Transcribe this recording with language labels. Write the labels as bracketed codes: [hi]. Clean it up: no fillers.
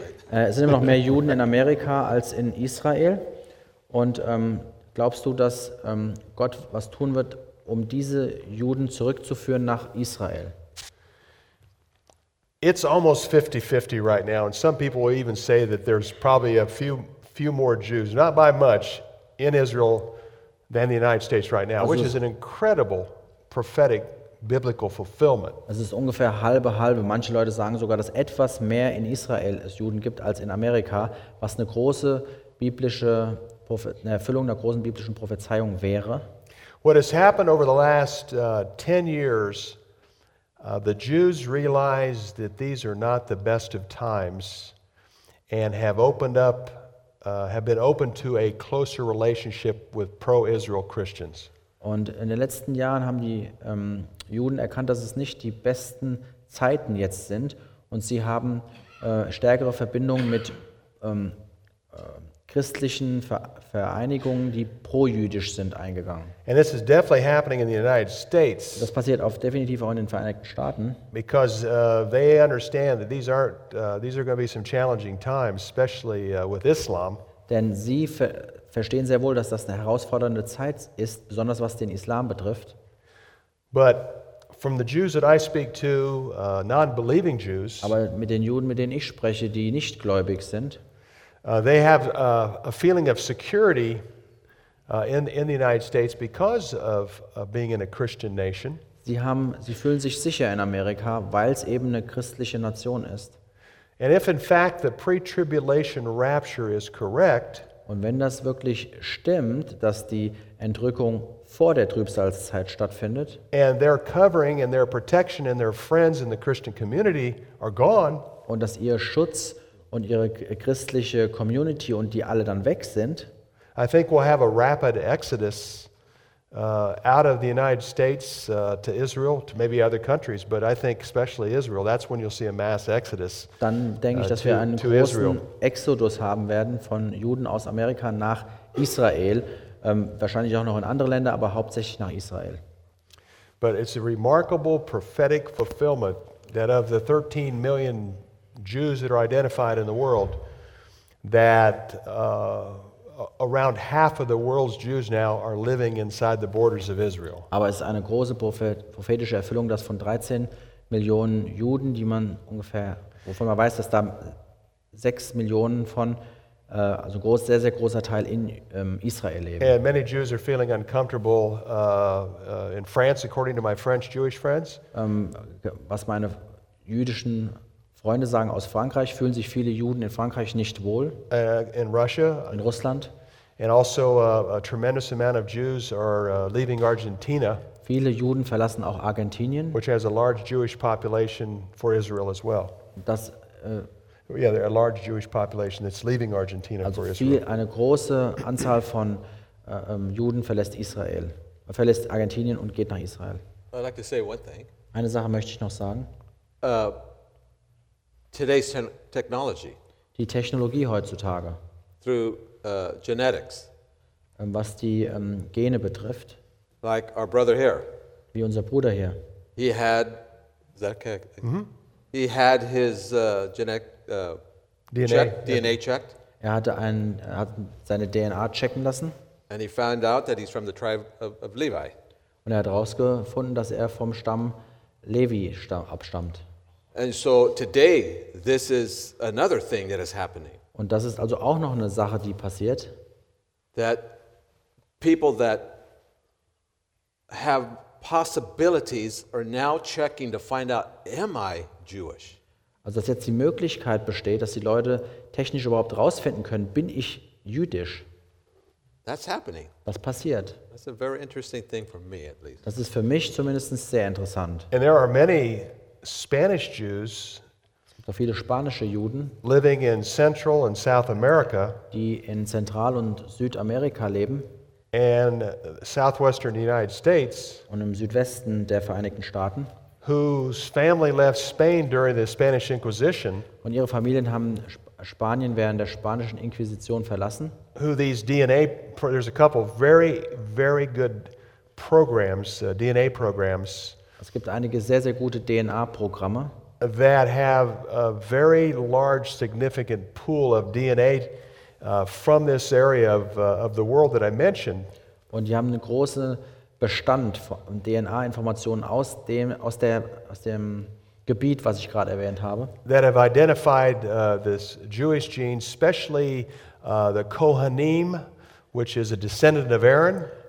[de] Es sind immer noch mehr Juden in Amerika als in Israel. Und glaubst du, dass Gott was tun wird, um diese Juden zurückzuführen nach Israel? [en] It's almost 50-50 right now, and some people will even say that there's probably a few more Jews, not by much, in Israel than the United States right now, also which is an incredible prophetic. Biblical fulfillment. [de] Es ist ungefähr halbe halbe. Manche Leute sagen sogar, dass etwas mehr in Israel es Juden gibt als in Amerika, was eine große biblische eine Erfüllung einer großen biblischen Prophezeiung wäre. [en] What has happened over the last 10 years, the Jews realize that these are not the best of times and have opened up, have been open to a closer relationship with pro-Israel Christians. [de] Und in den letzten Jahren haben die Juden erkannt, dass es nicht die besten Zeiten jetzt sind und sie haben stärkere Verbindungen mit christlichen Vereinigungen, die pro-jüdisch sind, eingegangen. [en] And this is definitely happening in the United States. [de] Das passiert auf definitiv auch in den Vereinigten Staaten. [en] Because they understand that these aren't these are going to be some challenging times, especially with Islam. [de] Denn sie verstehen sehr wohl, dass das eine herausfordernde Zeit ist, besonders was den Islam betrifft. [en] But from the Jews that I speak to, non-believing Jews. [de] Aber mit den Juden, mit denen ich spreche, die nicht gläubig sind. [en] They have a feeling of security in the United States because of being in a Christian nation. [de] Sie fühlen sich sicher in Amerika, weil es eben eine christliche Nation ist. [en] And if in fact the pre-tribulation rapture is correct. [de] Und wenn das wirklich stimmt, dass die Entrückung vor der Trübsalzeit stattfindet. [en] And their covering and their protection and their friends in the Christian community are gone. [de] Und dass ihr Schutz und ihre christliche Community und die alle dann weg sind. [en] I think we'll have a rapid exodus out of the United States to Israel, to maybe other countries, but I think especially Israel. That's when you'll see a mass exodus. [de] Dann denke ich, dass wir einen großen Israel. Exodus haben werden von Juden aus Amerika nach Israel. Wahrscheinlich auch noch in andere Länder, aber hauptsächlich nach Israel. [en] But it's a remarkable prophetic fulfillment that of the 13 million Jews that are identified in the world, that around half of the world's Jews now are living inside the borders of Israel. [de] Aber es ist eine große prophetische Erfüllung, dass von 13 Millionen Juden, die man ungefähr, wovon man weiß, dass da 6 Millionen von also ein groß, sehr, sehr großer Teil in Israel leben. [en] And many Jews are feeling uncomfortable in France, according to my French Jewish friends. [de] Was meine jüdischen Freunde sagen aus Frankreich, fühlen sich viele Juden in Frankreich nicht wohl. [en] In Russia, [de] in Russland. [en] And also a tremendous amount of Jews are leaving Argentina. [de] Viele Juden verlassen auch Argentinien. [en] Which has a large Jewish population for Israel as well. [de] Das [en] yeah, there are a large Jewish population that's leaving Argentina also for Israel. [de] Viel, eine große Anzahl von Juden verlässt Israel. Verlässt Argentinien und geht nach Israel. [en] I'd like to say one thing. [de] Eine Sache möchte ich noch sagen. [en] Today's technology. [de] Die Technologie heutzutage. [en] Through genetics. [de] Was die Gene betrifft. [en] Like our brother here. [de] Wie unser Bruder hier. [en] He had. Is that okay? Mm-hmm. He had his DNA. DNA checked. [de] Er hatte seine DNA checken lassen. [en] And he found out that he's from the tribe of Levi. [de] Und er hat herausgefunden, dass er vom Stamm Levi abstammt. [en] And so today, this is another thing that is happening. [de] Und das ist also auch noch eine Sache, die passiert. [en] That people that have possibilities are now checking to find out, am I Jewish? [de] Also dass jetzt die Möglichkeit besteht, dass die Leute technisch überhaupt rausfinden können, bin ich jüdisch? [en] That's happening. [de] Das passiert. [en] That's a very interesting thing for me, at least. [de] Das ist für mich zumindest sehr interessant. [en] And there are many Spanish Jews, [de] so viele spanische Juden, [en] living in Central and South America, [de] die in Zentral- und Südamerika leben, [en] and southwestern United States, [de] und im Südwesten der Vereinigten Staaten, [en] whose family left Spain during the Spanish Inquisition, [de] und ihre Familien haben Spanien während der spanischen Inquisition verlassen, [en] who these DNA, there's a couple of very, very good programs, DNA programs. [de] Es gibt einige sehr, sehr gute DNA-Programme, [en] that have a very large significant pool of DNA from this area of the world that I mentioned. [de] Und die haben einen großen Bestand von DNA-Informationen aus dem Gebiet, was ich gerade erwähnt habe. [en] That have identified this Jewish gene, especially the Kohanim, which is a descendant of Aaron.